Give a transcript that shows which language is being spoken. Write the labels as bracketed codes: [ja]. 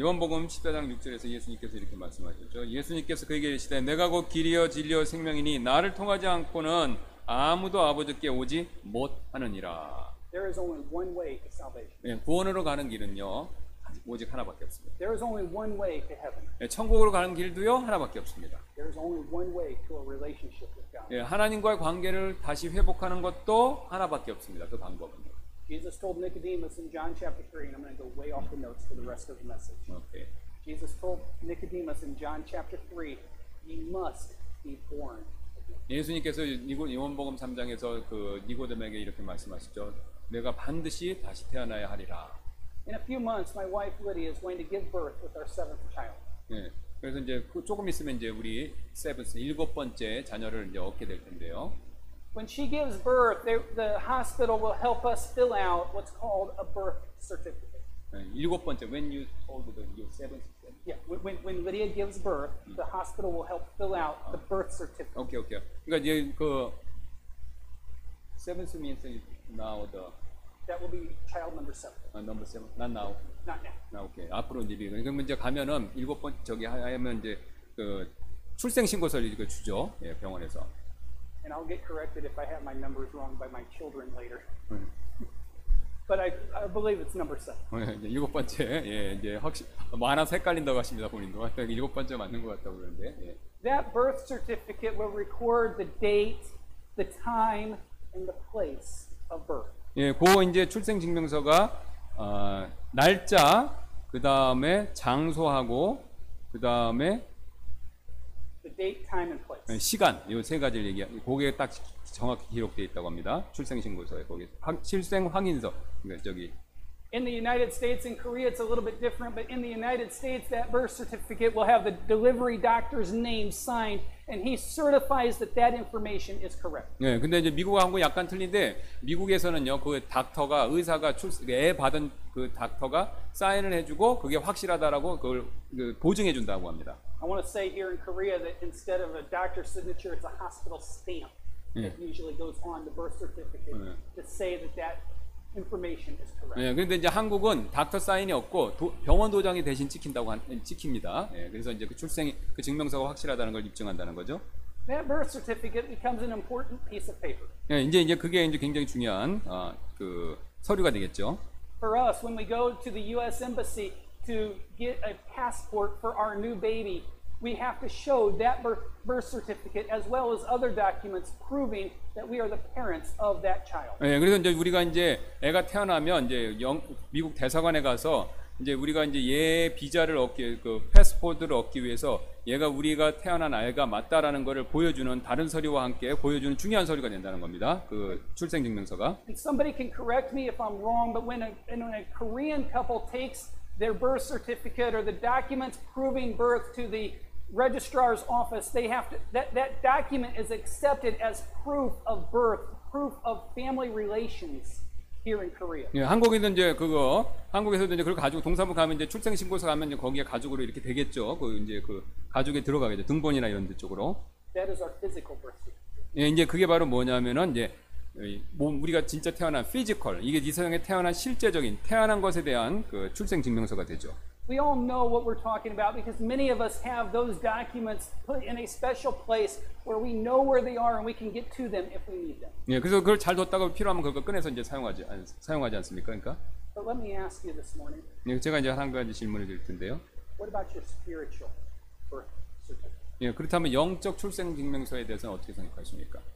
[ko] 요한복음 14장 6절에서 예수님께서 이렇게 말씀하셨죠. 예수님께서 그에게 이르시되 내가 곧 길이요 진리요 생명이니 나를 통하지 않고는 아무도 아버지께 오지 못하느니라. [en] There is only one way to salvation. [ko] 예, 구원으로 가는 길은요. 오직 하나밖에 없습니다. [en] There is only one way to heaven. [ko] 예, 천국으로 가는 길도요. 하나밖에 없습니다. [en] There is only one way to a relationship with God. [ko] 예, 하나님과의 관계를 다시 회복하는 것도 하나밖에 없습니다. 그 방법은. [en] Jesus told Nicodemus in John chapter 3, and I'm going to go way off the notes for the rest of the message. Okay. Jesus told Nicodemus in John chapter 3, you must be born again. [ko] 예수님께서 요한복음 3장에서 그 니고데모에게 이렇게 말씀하시죠. 내가 반드시 다시 태어나야 하리라. [en] In a few months, my wife Lydia is going to give birth with our seventh child. [ko] 예. 그래서 이제 조금 있으면 이제 우리 일곱 번째 자녀를 이제 얻게 될 텐데요. [en] When she gives birth, the hospital will help us fill out what's called a birth certificate. [ko] 일곱 번째, [en] when you told the your seventh. Yeah, when Lydia gives birth, the hospital will help fill out the birth certificate. Okay, okay. [ko] 그러니까 이제 그 [en] seventh means now the. That will be child number seven. Number seven, not now. Not now. Now, okay. [ko] 앞으로 이제 그럼 이제 가면은 일곱 번 저기 하면 이제 그 출생신고서를 이렇게 주죠, 예, 병원에서. [en] And I'll get corrected if I have my numbers wrong by my children later. But I believe it's number 7. [ko] 예, 일곱 번째. 예, 이제 확실히 많아서 헷갈린다고 하십니다, 본인도. 일곱 번째 맞는 것 같다고 그러는데. 예. [en] That birth certificate will record the date, the time, and the place of birth. [ko] 예, 그 이제 출생 증명서가 날짜, 그다음에 장소하고 그다음에 [en] the date, time, and place. [ko] 시간. 요 세 가지를 얘기하고 거기에 딱 정확히 기록되어 있다고 합니다. 출생신고서에 거기 출생 확인서. 그러니까 저기 [en] In the United States and Korea it's a little bit different, but in the United States that birth certificate will have the delivery doctor's name signed and he certifies that that information is correct. [ko] 네, 근데 이제 미국과 한국 약간 틀린데 미국에서는요. 그 닥터가 의사가 출애 받은 그 닥터가 사인을 해 주고 그게 확실하다라고 그걸 그 보증해 준다고 합니다. [en] I want to say here in Korea that instead of a doctor's signature it's a hospital stamp. It usually goes on the birth certificate 네. to say that that information is correct. [ko] 네, 그런데 이제 한국은 닥터 사인이 없고 병원 도장이 대신 찍힌다고 찍힙니다. 네, 그래서 이제 그 출생 그 증명서가 확실하다는 걸 입증한다는 거죠. [en] That birth certificate becomes an important piece of paper. [ko] 네, 이제 그게 이제 굉장히 중요한 그 서류가 되겠죠. [en] For us, when we go to the U.S. embassy to get a passport for our new baby. We have to show that birth certificate as well as other documents proving that we are the parents of that child. [ko] 예, 그래서 이제 우리가 이제 애가 태어나면 이제 영 미국 대사관에 가서 이제 우리가 이제 얘 비자를 얻기 그 패스포드를 얻기 위해서 얘가 우리가 태어난 아이가 맞다라는 것을 보여주는 다른 서류와 함께 보여주는 중요한 서류가 된다는 겁니다. 그 출생 증명서가. [en] And somebody can correct me if I'm wrong, but when a Korean couple takes their birth certificate or the documents proving birth to the registrar's office, they have to, that document is accepted as proof of birth, proof of family relations here in Korea. [ko] 예, 한국에서 이제 그거, 한국에서도 이제 그걸 가지고 동사무 가면 이제 출생신고서 가면 이제 거기에 가족으로 이렇게 되겠죠. 그 이제 그 가족에 들어가게 돼. 등본이나 이런 데 쪽으로. [en] That is our physical birth certificate. [ko] 예, 이제 그게 바로 뭐냐면은 이제 몸 우리가 진짜 태어난 피지컬 이게 이 세상에 태어난 실제적인 태어난 것에 대한 그 출생 증명서가 되죠. [en] We all know what we're talking about because many of us have those documents put in a special place where we know where they are and we can get to them if we need them. [ko] 예, 그래서 그걸 잘 뒀다가 필요하면 그걸 꺼내서 이제 사용하지 않습니까? 그러니까. [en] But let me ask you this morning. [ko] 예, 제가 이제 한 가지 질문을 드릴 텐데요. [en] What about your spiritual birth? [ko] 예, 그렇다면 영적 출생 증명서에 대해서는 어떻게 생각하십니까?